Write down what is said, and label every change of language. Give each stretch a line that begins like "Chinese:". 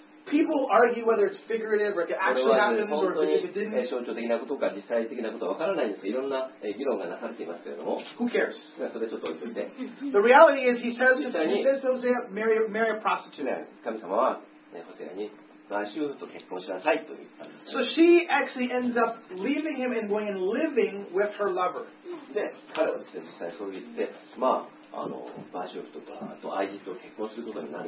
English: People argue whether it's figurative or if it actually happens or if it didn't.
Japanese: 象徴的なことか実際的なことは分からないんですけど、いろんな議論がなされていますけれども。
English: Who cares?
Japanese: それちょっと置いて。
English: The reality is, he says to Hosea, marry a prostitute.
Japanese: 神様は、ホセアに売春婦と結婚しなさいと言ったんです。
English: So she actually ends up leaving him and going and living with her lover.
Japanese: で、彼はですね、実際そう言って、売春婦とか、あと愛人と結婚することになる。